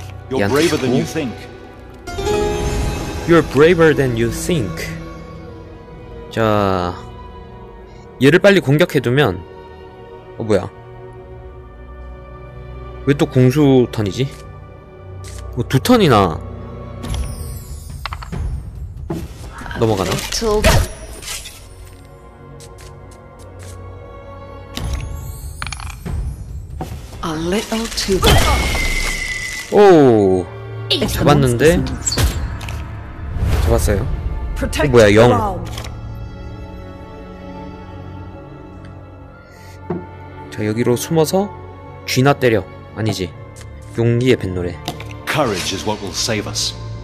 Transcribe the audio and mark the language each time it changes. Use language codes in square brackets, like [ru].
[en] You're braver than you think. You're braver than you think. [ko] 자, 얘를 빨리 공격해두면. 어 뭐야? 왜 또 궁수 턴이지? 뭐 두 턴이나 넘어가나? 오 잡았는데 잡았어요. 뭐야 영. 자 여기로 숨어서 쥐나 때려. 아니지. 용기의 뱃노래. [en] Courage is what will save us.